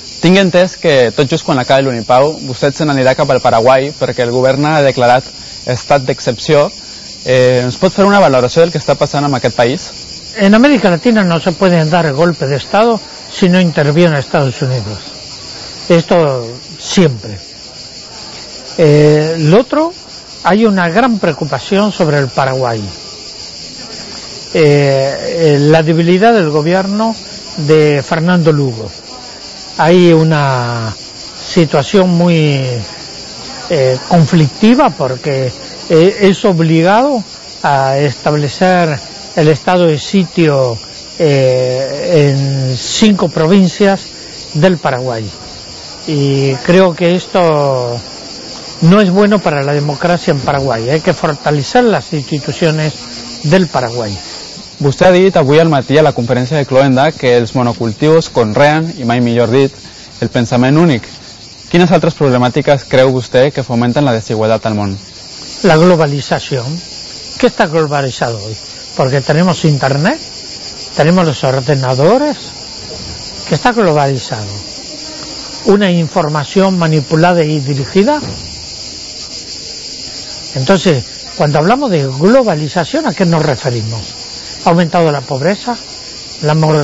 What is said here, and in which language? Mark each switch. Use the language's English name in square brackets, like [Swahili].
[Catalan] Tinc entès que tot just quan acabi l'Unipau, vostè se n'anirà cap al Paraguai perquè el govern ha declarat estat d'excepció. ¿Ens pot fer una valoració del que està passant en aquest país? [Spanish] En América Latina no se pueden dar golpes de Estado si no interviene Estados Unidos. Esto siempre. Lo otro, hay una gran preocupación sobre el Paraguay. La debilidad del gobierno de Fernando Lugo. Hay una situación muy conflictiva porque es obligado a establecer el estado de sitio en 5 provincias del Paraguay, y creo que esto no es bueno para la democracia en Paraguay. Hay que fortalecer las instituciones del Paraguay. [Catalan] Vostè ha dit avui al matí a la conferència de Cloenda que els monocultius conreen, i mai millor dit, el pensament únic. Quines altres problemàtiques creu vostè que fomenten la desigualtat al món? La globalització. Què està globalitzat avui? [Spanish] Porque tenemos internet, tenemos los ordenadores, que está globalizado. Una información manipulada y dirigida. Entonces, cuando hablamos de globalización, ¿a qué nos referimos? ¿Ha aumentado la pobreza, la